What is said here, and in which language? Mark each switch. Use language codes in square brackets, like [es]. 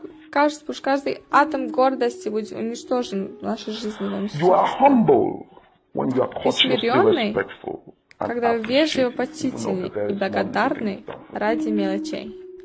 [ru] Каждый атом гордости будет уничтожен в нашей жизни. [en] You are humble when you are cautiously respectful. [ru] Когда вы вежливо, почтительны и благодарны ради мелочей.